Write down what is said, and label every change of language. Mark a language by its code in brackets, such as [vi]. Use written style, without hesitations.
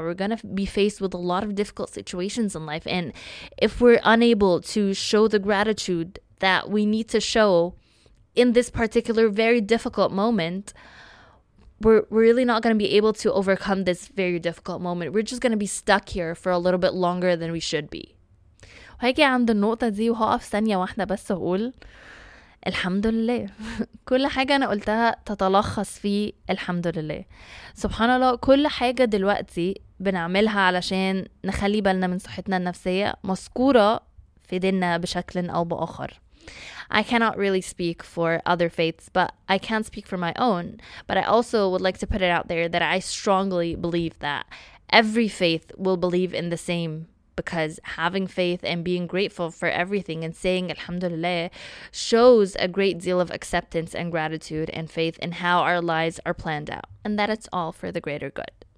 [en] We're going to be faced with a lot of difficult situations in life. And if we're unable to show the gratitude that we need to show in this particular very difficult moment, we're really not going to be able to overcome this very difficult moment. We're just going to be stuck here for a little bit longer than we should be. [ar] هيجي عند النقطة دي وهقف ثانية واحدة بس أقول الحمد لله. كل حاجة أنا قلتها تتلخص في الحمد لله. سبحان الله, كل حاجة دلوقتي بنعملها علشان نخلي بالنا من صحتنا النفسية مذكورة في ديننا بشكل أو بآخر. [en] I cannot really speak for other faiths, but I can speak for my own. But I also would like to put it out there that I strongly believe that every faith will believe in the same, because having faith and being grateful for everything and saying alhamdulillah shows a great deal of acceptance and gratitude and faith in how our lives are planned out, and that it's all for the greater good.